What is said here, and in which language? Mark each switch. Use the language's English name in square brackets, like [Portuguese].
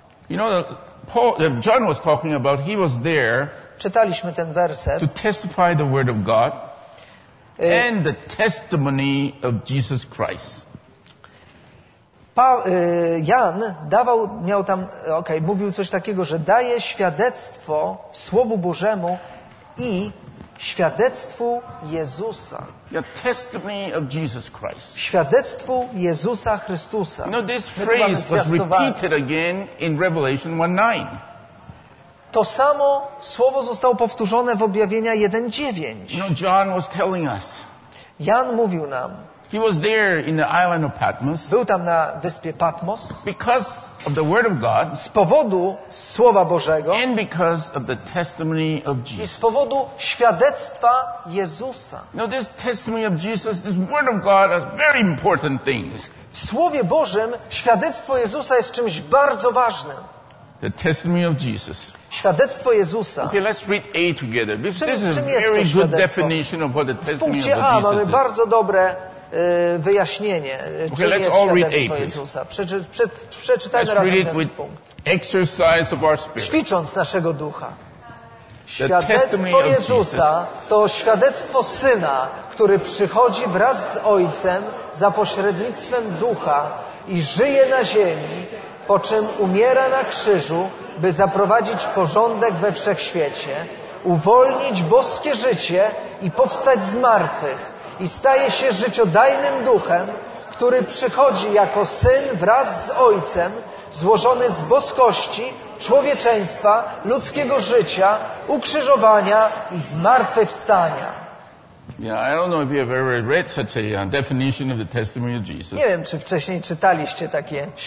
[English] You know, John was talking about, he was there. [Polish] Czytaliśmy ten werset. [English] To testify the word of God and the testimony of Jesus Christ. [Polish] Jan dawał, miał tam, okej, okay, mówił coś takiego, że daje świadectwo Słowu Bożemu i świadectwu Jezusa. [English] The testimony of Jesus Christ. [Polish] Świadectwu Jezusa Chrystusa. [English] You know, this phrase was repeated again in Revelation 1:9. [Polish] To samo słowo zostało powtórzone w Objawienia 1:9. [English] You know, John was telling us. [Polish] Jan mówił nam. [English] He was there in the island of Patmos. [Polish] Był tam na wyspie Patmos. [English] Because of the word of God. [Polish] Z powodu słowa Bożego. [English] And because of the testimony of Jesus. [Polish] I z powodu świadectwa Jezusa. [English] Now this testimony of Jesus, this word of God are very important things. [Polish] W słowie Bożym świadectwo Jezusa jest czymś bardzo ważnym. [English] The testimony of Jesus. [Polish] Świadectwo Jezusa. [English] Okay, let's read A together. This is a very good definition of what the testimony of Jesus is. [Polish] W punkcie A mamy bardzo dobre wyjaśnienie, czym jest świadectwo Jezusa. Przeczytajmy razem ten punkt. [English] Exercise of our spirit. [Polish] Ćwicząc naszego ducha. Świadectwo Jezusa to świadectwo Syna, który przychodzi wraz z Ojcem za pośrednictwem Ducha i żyje na ziemi, po czym umiera na krzyżu, by zaprowadzić porządek we wszechświecie, uwolnić boskie życie i powstać z martwych, i staje się życiodajnym duchem, który przychodzi jako Syn wraz z Ojcem, złożony z boskości, człowieczeństwa, ludzkiego życia, ukrzyżowania i zmartwychwstania. [English] Yeah, I don't know if you have ever read such a definition of the testimony of Jesus. [Polish] Nie wiem, czy wcześniej czytaliście takie